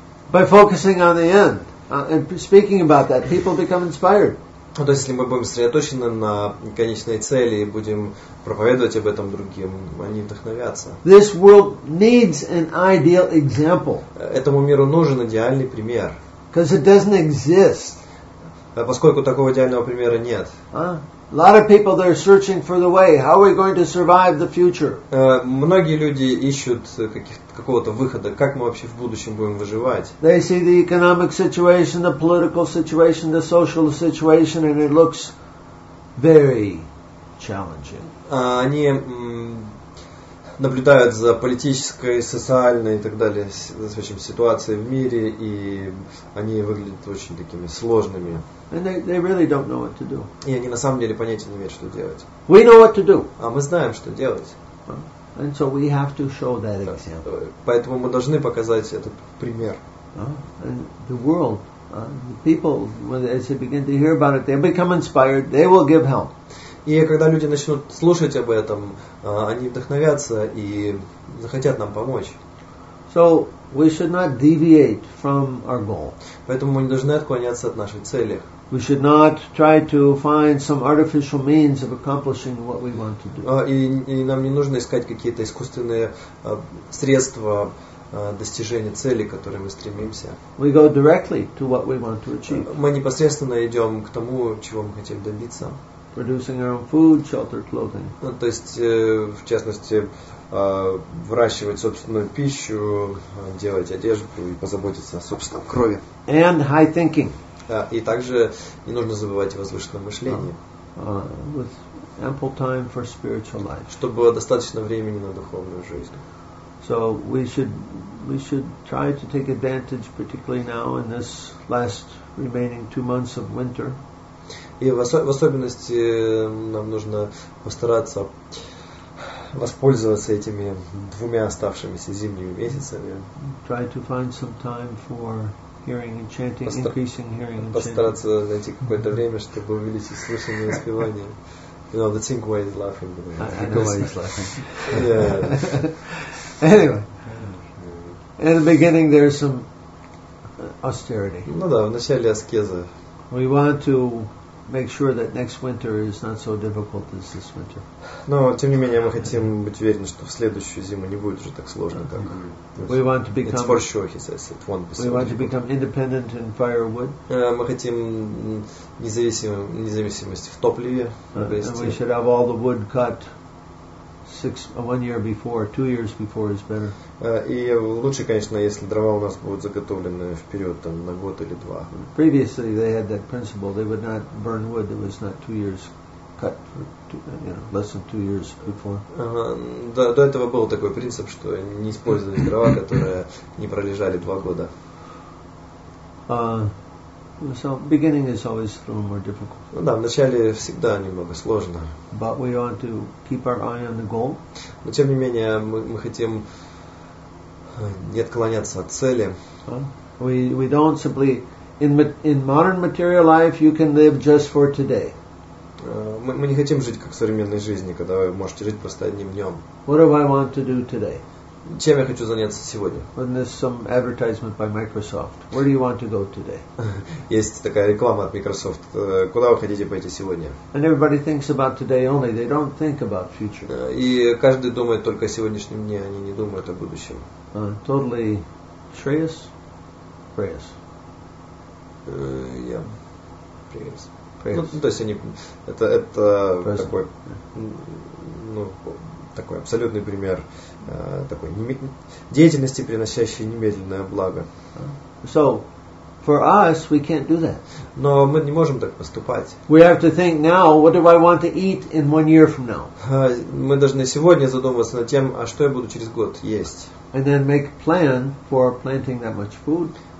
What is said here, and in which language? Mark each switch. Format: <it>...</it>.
<en>By focusing on the end and speaking about that, people become inspired.</en> <ru>Ну, то есть, если мы будем сосредоточены на конечной цели и будем проповедовать об этом другим, они вдохновятся.</ru> <en>This world needs an ideal example.</en> <ru>Этому миру нужен идеальный пример.</ru> <en>Because it doesn't exist.</en> <ru>Поскольку такого идеального примера нет.</ru> <en>A lot of people, they're searching for the way. How are we going to survive the future?</en> <ru>Многие люди ищут какого-то выхода. Как мы вообще в будущем будем выживать?</ru> <en>They see the economic situation, the political situation, the social situation, and it looks very challenging.</en> <ru>Они наблюдают за политической, социальной и так далее, в общем, ситуацией в мире, и они выглядят очень такими сложными.</ru> <en>And they really don't know what to do.</en> <ru>И они на самом деле понятия не имеют, что делать.</ru> <en>We know what to do.</en> <ru>А мы знаем, что делать.</ru> <en>And so we have to show that example.</en> <ru>Поэтому мы должны показать этот пример.</ru> <en>And the world, the people, when they begin to hear about it, they become inspired. They will give help.</en> <ru>И когда люди начнут слушать об этом, они вдохновятся и захотят нам помочь.</ru> <en>So we should not deviate from our goal.</en> <ru>Поэтому мы не должны отклоняться от нашей цели.</ru> <en>We should not try to find some artificial means of accomplishing what we want to do.</en> <ru>И нам не нужно искать какие-то искусственные средства достижения цели, к которой мы стремимся.</ru> <en>We go directly to what we want to achieve.</en> <ru>Мы непосредственно идем к тому, чего мы хотим добиться.</ru> <en>Producing our own food, shelter, clothing.</en> <ru>То есть, в частности, выращивать собственную пищу, делать одежду и позаботиться о собственном крови.</ru> <en>And high thinking.</en> <ru>И также не нужно забывать о возвышенном мышлении.</ru> <en>With ample time for spiritual life.</en> <ru>Чтобы было достаточно времени на духовную жизнь.</ru> <en>So we should try to take advantage, particularly now in this last remaining 2 months of winter.</en> <ru>И в особенности нам нужно постараться воспользоваться этими 2 оставшимися зимними месяцами.</ru> <en>Try to find some time for hearing and chanting, increasing hearing and chanting.</en> <ru>Постараться найти какое-то время, чтобы увеличить слушание и спевание.</ru> <en>You know, the Tsinghuay is laughing. The Tsinghuay is laughing. Yeah. Anyway. In the beginning there's some austerity.</en> <ru>Ну да, в начале аскеза.</ru> <en>We want to make sure that next winter is not so difficult as this winter.</en> <ru>Но тем не менее мы хотим быть уверены, что в следующую зиму не будет уже так сложно, как.</ru> <en>We want to become. It's for sure, he says. It won't be so. We want to become independent in firewood.</en> <ru>Мы хотим независимости в топливе.</ru> <en>And we should have all the wood cut 1 year before, 2 years before is better.</en> <ru>И лучше, конечно, если дрова у нас будут заготовлены вперед, там, на год или два.</ru> <en>Previously they had that principle, they would not burn wood that was not 2 years cut, less than 2 years before.</en> <ru>До этого был такой принцип, что не использовали дрова, которые не пролежали 2 года.</ru> <en>So beginning is always a little more difficult.</en> <ru>Ну, да, в начале всегда немного сложно.</ru> <en>But we want to keep our eye on the goal.</en> <ru>Но тем не менее мы хотим не отклоняться от цели.</ru> <en>We don't simply in modern material life you can live just for today.</en> <ru>Мы не хотим жить как в современной жизни, когда вы можете жить просто одним днем.</ru> <en>What do I want to do today?</en> <ru>Чем я хочу заняться сегодня?</ru> <en>When there's some advertisement by Microsoft. Where do you want to go today?</en> <ru>Есть такая реклама от Microsoft. Куда вы хотите пойти сегодня?</ru> <en>And everybody thinks about today only. They don't think about future.</en> <ru>И каждый думает только о сегодняшнем дне. Они не думают о будущем.</ru> <en>Totally Shreyas? Prayas.</en> <ru>Я Prayas. Ну, то есть они это такой, ну, такой абсолютный пример такой деятельности, приносящей немедленное благо.</ru> <en>So, for us, we can't do that.</en> <ru>Но мы не можем так поступать.</ru> <en>We have to think now, what do I want to eat in 1 year from now?</en> <ru>Мы должны сегодня задумываться над тем, а что я буду через год есть.</ru> <en>And then make plan for planting that much food.</en>